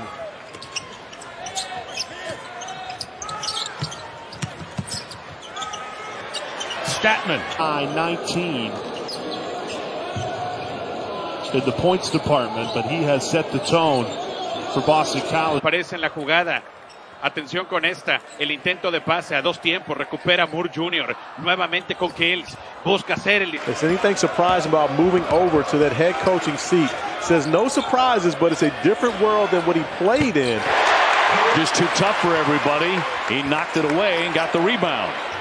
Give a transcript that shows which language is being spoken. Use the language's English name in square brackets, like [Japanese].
[English] Statman. High 19 in the points department, but he has set the tone for Boston College. [Spanish] Aparece en la jugada. Atención con esta, el intento de pase a dos tiempos, recupera Moore Jr. nuevamente con Kills, busca hacer el... [English] Is anything surprising about moving over to that head coaching seat? Says no surprises, but it's a different world than what he played in. Just too tough for everybody. He knocked it away and got the rebound.